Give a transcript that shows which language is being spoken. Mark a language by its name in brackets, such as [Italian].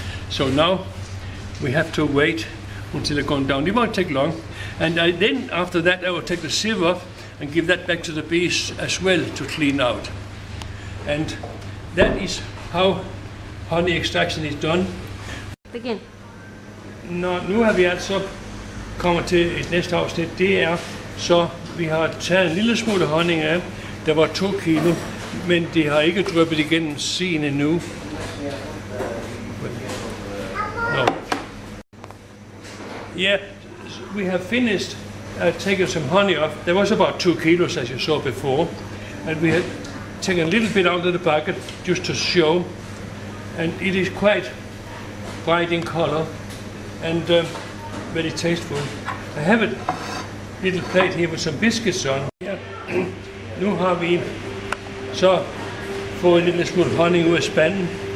[English] So now we have to wait until it's gone down. It won't take long. And then after that, I will take the sieve off and give that back to the bees as well to clean out. And that is how honey extraction is done. Begin. [Danish] No, nu har vi altså kommer til et næste afsnit, det er, så vi har taget en lille smule honning af, der var 2 kilo, men det har ikke dryppet igennem sen endnu. [English] Yeah, we have finished taking some honey off. There was about 2 kilos, as you saw before. And we had taken a little bit out of the bucket, just to show. And it is quite bright in color, and very tasteful. I have a little plate here with some biscuits on. Yeah. [Danish] Nu har vi så fået en lille smule honning ud af spanden.